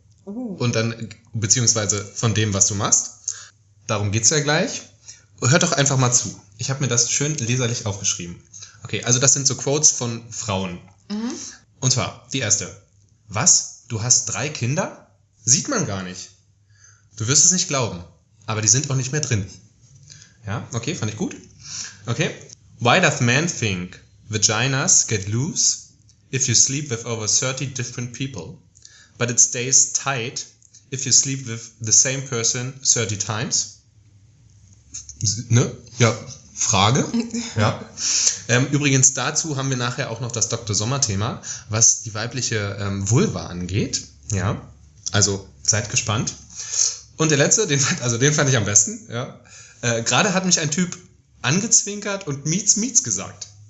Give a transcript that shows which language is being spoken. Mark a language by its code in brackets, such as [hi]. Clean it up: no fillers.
[de] Und dann, beziehungsweise von dem, was du machst. Darum geht's ja gleich. Hört doch einfach mal zu. Ich habe mir das schön leserlich aufgeschrieben. Okay, also das sind so Quotes von Frauen. Mhm. Und zwar, die erste. Was? Du hast 3 Kinder? sieht man gar nicht. Du wirst es nicht glauben, aber die sind auch nicht mehr drin. Ja, okay, fand ich gut. Okay. [en] Why does man think vaginas get loose if you sleep with over 30 different people, but it stays tight if you sleep with the same person 30 times? [de] Ne? Ja, Frage. Ja. Übrigens, dazu haben wir nachher auch noch das Dr. Sommer-Thema, was die weibliche Vulva angeht. Ja, also seid gespannt. Und der letzte, den fand ich am besten. Ja. Gerade hat mich ein Typ angezwinkert und Mietz Mietz gesagt.